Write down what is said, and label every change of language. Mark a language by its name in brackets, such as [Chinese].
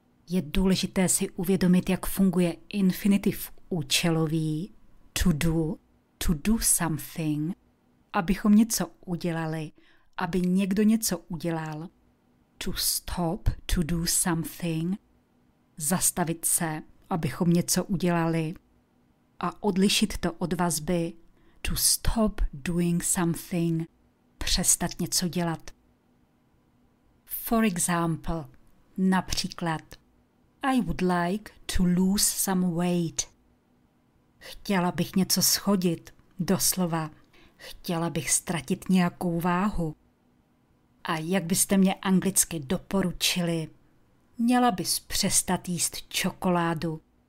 [Czech] Je důležité si uvědomit, jak funguje infinitiv účelový, [English] to do something, [Czech] abychom něco udělali, aby někdo něco udělal, [English] to stop, to do something, [Czech] zastavit se, abychom něco udělali, a odlišit to od vazby [English] to stop doing something, [Czech] přestat něco dělat. [English] For example, [Czech] například [English] I would like to lose some weight. [Czech] Chtěla bych něco schodit, doslova. Chtěla bych ztratit nějakou váhu. A jak byste mě anglicky doporučili? Měla bys přestat jíst čokoládu.